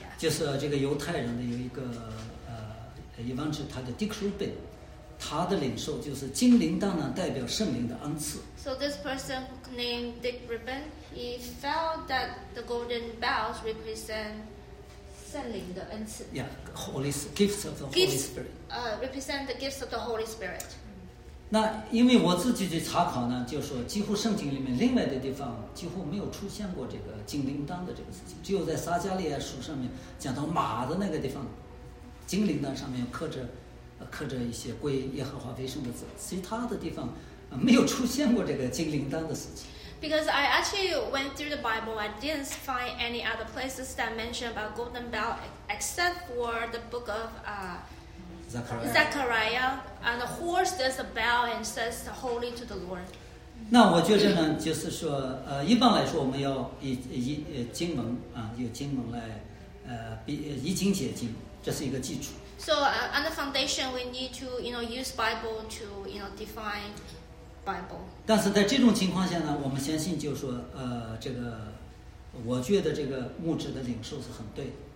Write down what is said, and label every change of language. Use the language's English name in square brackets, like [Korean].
[Chinese] 就是这个犹太人的有一个一般是他的 Dick Rubin， 他的领受就是金铃铛呢，代表圣灵的恩赐。 [English] So this person named Dick Rubin. He felt that the golden bells represent [Chinese] 圣灵的恩赐 [English] Yeah, holy gifts of the Holy gifts, Spirit. Represent the gifts of the Holy Spirit. [Chinese] 那因为我自己去查考呢，就说几乎圣经里面另外的地方几乎没有出现过这个金铃铛的这个事情，只有在撒迦利亚书上面讲到马的那个地方，金铃铛上面刻着一些归耶和华为圣的字，其他的地方没有出现过这个金铃铛的事情。 [English] Because I actually went through the Bible, I didn't find any other places that mention about golden bell except for the book of Zechariah. And the horse does a bell and says holy to the Lord. [Chinese] 那我觉得呢，就是说，一般来说，我们要以经文啊，有经文来，以经解经，这是一个基础。 [English] So on the foundation, we need to you know use Bible to you know define. Bible. [Chinese] 但是在这种情况下呢，我们相信就是说，这个，我觉得这个牧者的领受是很对的。